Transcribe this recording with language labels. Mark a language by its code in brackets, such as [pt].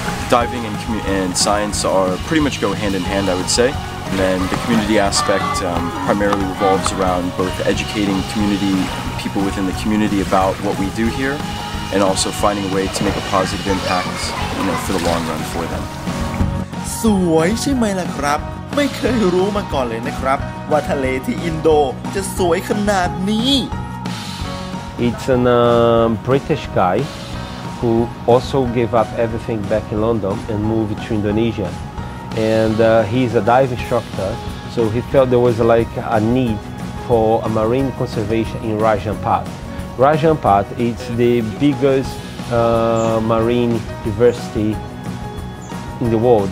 [en] Diving and science are pretty much go hand in hand, I would say. And then the community aspect primarily revolves around both educating community people within the community about what we do here, and also finding a way to make a positive impact, you know, for the long run for them. [th] สวยใช่ไหมล่ะครับไม่เคยรู้มาก่อนเลยนะครับว่าทะเลที่อินโดจะสวยขนาดนี้ [en] It's an British guy. Who also gave up everything back in London and moved to Indonesia. And he's a dive instructor, so he felt there was like a need for a marine conservation in Raja Ampat. Raja Ampat is the biggest marine diversity in the world.